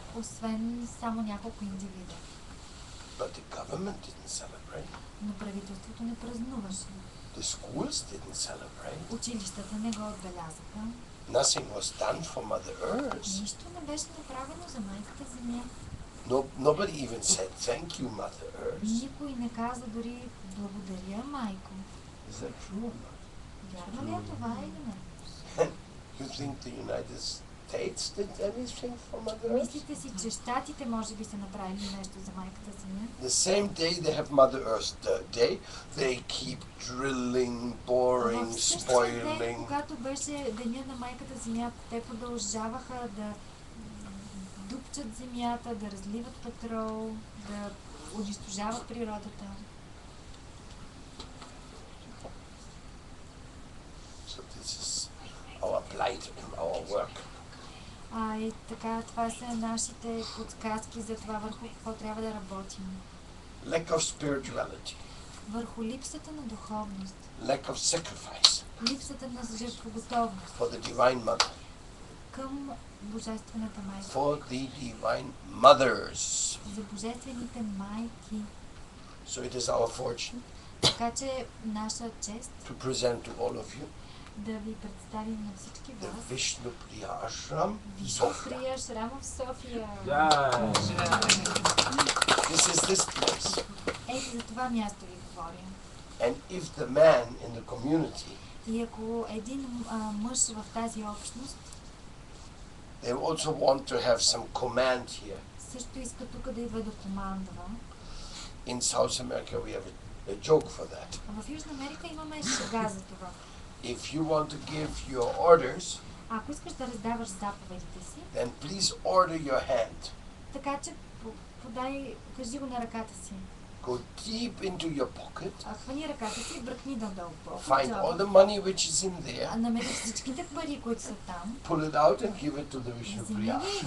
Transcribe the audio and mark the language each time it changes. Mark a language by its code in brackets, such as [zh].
[bg] Освен само няколко индивида. [en] But the government didn't celebrate. [bg] Но правителството не празнуваше. [en] The schools didn't celebrate. [bg] Училищата не го отбелязаха. [en] Nothing was done for Mother Earth. [bg] Нищо не беше направено за майката Земя. [en] No, nobody even said thank you, Mother Earth. [bg] Никой не каза дори благодаря, майко. [en] Is that true? [bg] Вярно ли е това или не? [en] You think the United States did anything for Mother Earth? [bg] Мислите си, че щатите може би са направили нещо за майката Земя? [en] The same day they have Mother Earth Day, they keep drilling, boring, spoiling. [bg] Когато беше деня на майката Земя, те продължаваха да дупчат земята, да разливат петрол, да унищожават природата. [en] So this is our plight and our work. [bg] А и така, това са нашите подсказки за това върху какво трябва да работим. [en] Lack of spirituality. [bg] Върху липсата на духовност. [en] Lack of sacrifice. [bg] Липсата на жертвоготовност. [en] For the Divine Mother. [bg] Към Божествената майка. [en] For the Divine Mothers. [bg] За Божествените майки. [en] So it is our fortune. [bg] Така че наша чест. [en] To present to all of you. [bg] Да ви представим на всички вас. [en] The Vishnu Priya Ashram. Vishnu Priya Ashram of Sofia. Yeah. This is this place. [bg] Ето за това място ви говорим. [en] And if the man in the community. [bg] И ако един мъж в тази общност. [en] They also want to have some command here. [bg] Също иска тук да идва да командва. [en] In South America we have a joke for that. [bg] В Южна Америка имаме шега за това. [en] If you want to give your orders, [bg] ако искаш да раздаваш заповедите си, [en] then please order your hand. [bg] Така че подай, кажи го на ръката си. [en] Go deep into your pocket. [bg] Хвани ръката си и бръкни дълбоко. [en] Find all the money which is in there. [bg] Намери всичките пари, които са там. [en] Pull it out and give it to the Vishnu Priya.